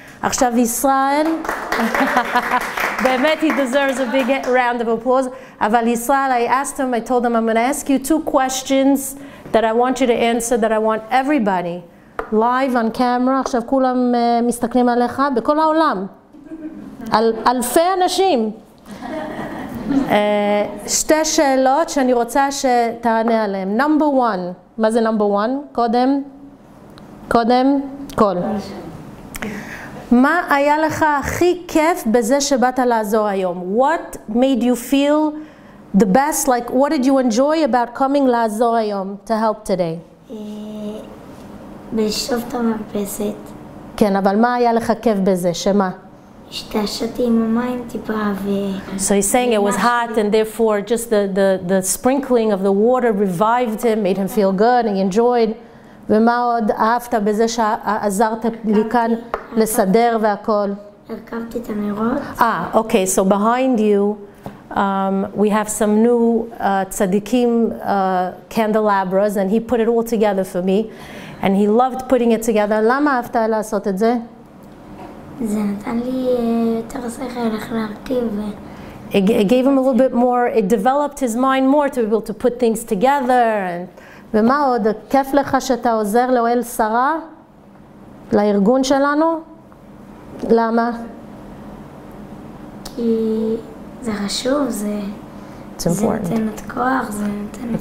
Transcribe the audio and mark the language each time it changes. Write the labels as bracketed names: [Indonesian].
[Hebrew] עכשיו ישראל, באמת, [English] he deserves a big round of applause. [Hebrew] אבל ישראל, [English] I asked him, I told him, I'm going to ask you two questions that I want you to answer, that I want everybody, live on camera, [Hebrew] עכשיו כולם מסתכלים עליך, בכל העולם, אלפי אנשים. שתי שאלות שאני רוצה שתענה עליהן. [English] Number one, [Hebrew] מה זה [English] number one? [Hebrew] קודם, כל. מה היה לך הכי כיף בזה שבאת לעזור היום? [English] What made you feel the best, like what did you enjoy about coming [Hebrew] לעזור היום [English] to help today? [Hebrew] לשאוף את המרפסת. כן, אבל מה היה לך כיף בזה? שמה? השתעשתי עם המים טיפה ו... [English] So he's saying it was hot and therefore just the sprinkling of the water revived him, made him feel good, he enjoyed. [Hebrew] ומה עוד אהבת בזה שעזרת לי כאן לסדר והכל? הרכבתי את הנרות. [English] Okay, so behind you, we have some new tzaddikim candelabras, and he put it all together for me, and he loved putting it together. [Hebrew] למה אהבת לעשות את זה? זה נתן לי יותר שכל איך להרכיב. [English] It gave him a little bit more, it developed his mind more to be able to put things together. And [Hebrew] ומה עוד? כיף לך שאתה עוזר לאוהל שרה? לארגון שלנו? למה? כי זה חשוב, זה נותן את כוח, זה נותן את